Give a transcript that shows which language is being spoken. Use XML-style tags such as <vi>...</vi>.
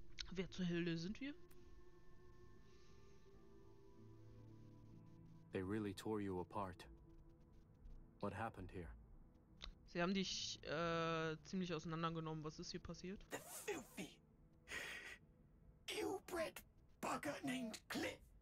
<de>Wer zur Hölle sind wir?</de> <en>They really tore you apart. What happened here?</en> <de>Sie haben dich ziemlich auseinandergenommen. Was ist hier passiert?</de> <en>The filthy, ill-bred bugger named Cliff.</en>